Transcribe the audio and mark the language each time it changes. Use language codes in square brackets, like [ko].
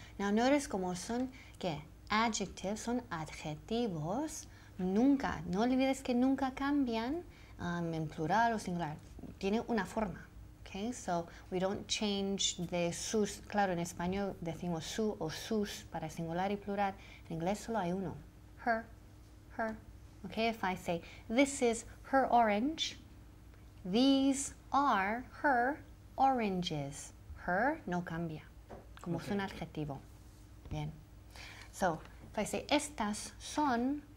[en] Now, notice [es] cómo son, ¿qué? Adjectives, son adjetivos. Nunca, no olvides que nunca cambian en plural o singular. Tiene una forma. [en] Ok, so we don't change the sus. [es] Claro, en español decimos su o sus para singular y plural. En inglés solo hay uno. Her. [en] Ok, if I say, this is her orange. These are her oranges. [es] Her no cambia, como es un adjetivo. Bien. [en] So, if I say, [es] estas son